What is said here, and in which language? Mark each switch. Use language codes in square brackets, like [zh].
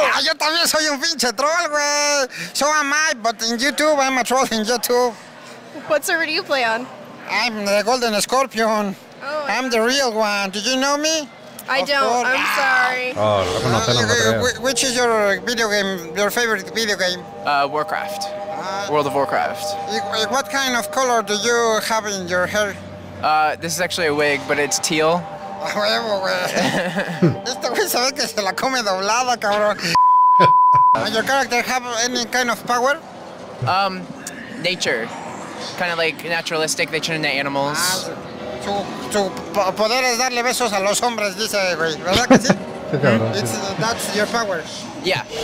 [es] Ah, yo también soy un pinche troll, güey. [en] So am I, but in YouTube, I'm a troll in YouTube. What server do you play on? I'm the Golden Scorpion. Oh, I'm the real one. Do you know me? I don't. I'm sorry. [es] Oh, lo conocen, no creo. [en] Which is your video game, your favorite video game? Warcraft. World of Warcraft. What kind of color do you have in your hair? This is actually a wig, but it's teal. [es] Huevo, güey. Este güey sabe que se la come doblada, cabrón. [en] Does your character have any kind of power? Nature. Kind of like naturalistic, they turn into animals. [es] Ah, tu poder es darle besos a los hombres, dice güey. ¿Verdad que sí? [en] That's your power. Yeah.